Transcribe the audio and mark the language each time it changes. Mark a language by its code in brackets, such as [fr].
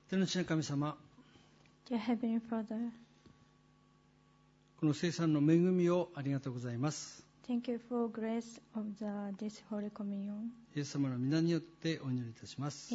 [ja] 神様、 [en] Dear Heavenly Father, [ja] この聖餐の恵みをありがとうございます。 [en] Thank you for grace of this Holy Communion. [ja] イエス様の御名によってお祈りいたします。